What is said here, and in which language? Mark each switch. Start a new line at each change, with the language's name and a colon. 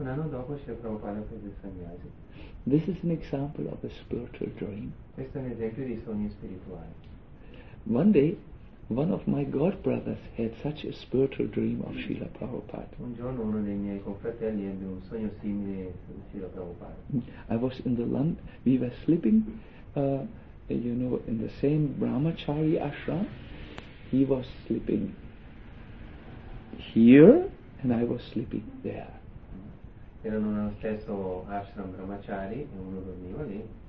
Italian: Un anno dopo si è provato a prendere sannyasi.
English: This is an example of a spiritual dream.
Italian: Questo è un esempio di sogni spirituali.
English: One day, one of my god brothers had such a spiritual dream of Srila Prabhupada.
Italian: Un giorno uno dei miei confratelli ebbe un sogno simile a Srila Prabhupada.
English: I was in the land. We were sleeping, in the same Brahmachari ashram. He was sleeping here, and I was sleeping there.
Italian: Erano nello stesso ashram Brahmachari e uno dormiva lì.